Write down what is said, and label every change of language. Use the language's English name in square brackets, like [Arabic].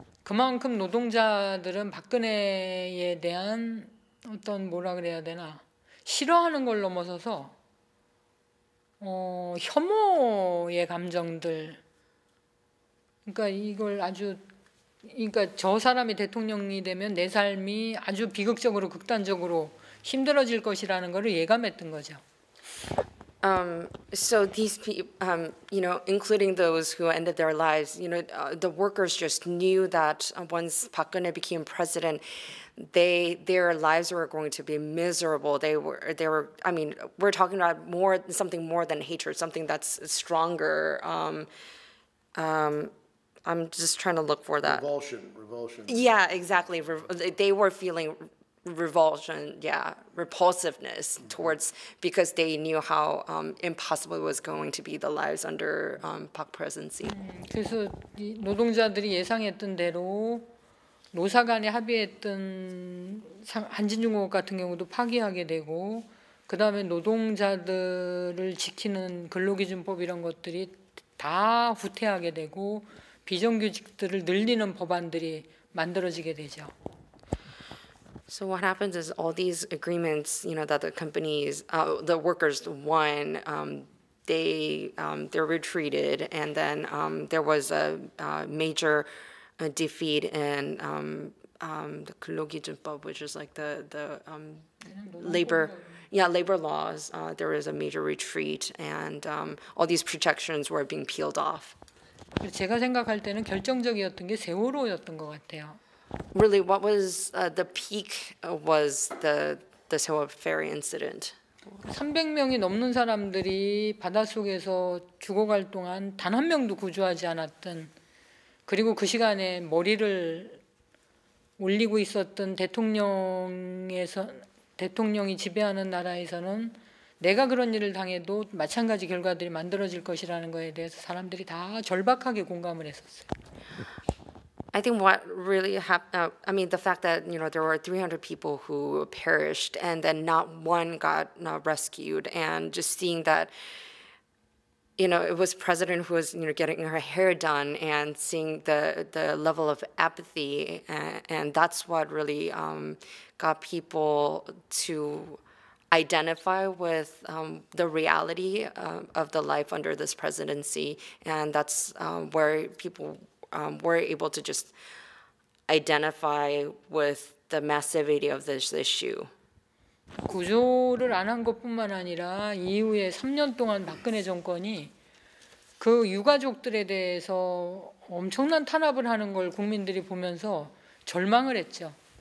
[Korean] 그만큼 노동자들은 박근혜에 대한 어떤 뭐라 그래야 되나 싫어하는 걸 넘어서서 혐오의 감정들 그러니까 이걸 아주 그러니까 저 사람이 대통령이 되면 내 삶이 아주 비극적으로 극단적으로 힘들어질 것이라는 것을 예감했던 거죠. [English] So these people, you know, including those who ended their lives, you know, the workers just knew that once Park Geun-hye became president, their lives were going to be miserable. We're talking about something more than hatred, something that's stronger. I'm just trying to look for that. Revulsion. Yeah, exactly. They were feeling revulsion, yeah, repulsiveness mm-hmm. towards, because they knew how impossible it was going to be the lives under Park presidency. [Korean] 그래서 노동자들이 예상했던 대로 노사 간에 합의했던 한진중공업 같은 경우도 파기하게 되고 그다음에 노동자들을 지키는 근로기준법 이런 것들이 다 후퇴하게 되고 비정규직들을 늘리는 법안들이 만들어지게 되죠. [English] So what happens is all these agreements, you know, that the companies, the workers won, they retreated, and then there was a major defeat in the 근로기준법, which is like the labor laws. There was a major retreat, and all these protections were being peeled off. [Korean] 제가 생각할 때는 결정적이었던 게 세월호였던 것 같아요. [English] Really, what was the peak was the Sewol ferry incident. [Korean] 300명이 넘는 사람들이 바닷속에서 죽어갈 동안 단 한 명도 구조하지 않았던 그리고 그 시간에 머리를 올리고 있었던 대통령이 지배하는 나라에서는 내가 그런 일을 당해도 마찬가지 결과들이 만들어질 것이라는 거에 대해서 사람들이 다 절박하게 공감을 했었어요. [English] I think what really happened, I mean, the fact that, you know, there were 300 people who perished and then not one got rescued and just seeing that, you know, it was president who was, you know, getting her hair done and seeing the level of apathy and that's what really got people to identify with the reality of the life under this presidency and that's where people were able to just identify with the massivity of this issue. [Korean] 구조를 안 한 것뿐만 아니라 이후에 3년 동안 박근혜 정권이 그 유가족들에 대해서 엄청난 탄압을 하는 걸 국민들이 보면서 절망을 했죠.